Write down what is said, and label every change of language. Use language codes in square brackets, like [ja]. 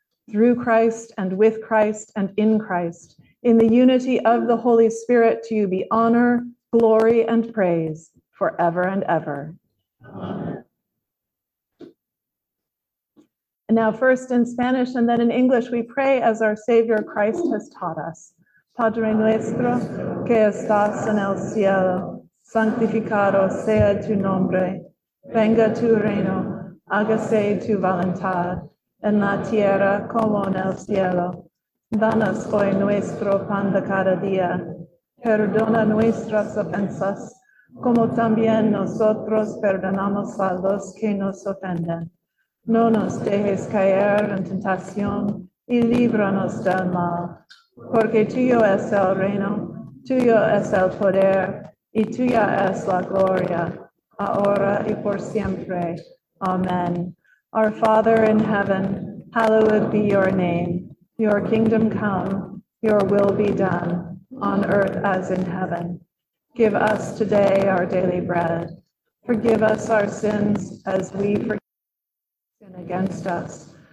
[en] Through Christ and with Christ and in Christ, in the unity of the Holy Spirit, to you be honor, glory, and praise forever and ever. Amen. And now, first in Spanish and then in English, we pray as our Savior Christ has taught us. [es] Padre nuestro, que estás en el cielo, santificado sea tu nombre. Venga tu reino, hágase tu voluntad, en la tierra como en el cielo. Danos hoy nuestro pan de cada día. Perdona nuestras ofensas, como también nosotros perdonamos a los que nos ofenden. No nos dejes caer en tentación, y líbranos del mal. Porque tuyo es el reino, tuyo es el poder, Y tuya es la gloria, ahora y por siempre. Amen. [en] Our Father in heaven, hallowed be your name. Your kingdom come, your will be done, on earth as in heaven. Give us today our daily bread. Forgive us our sins as we forgive against us.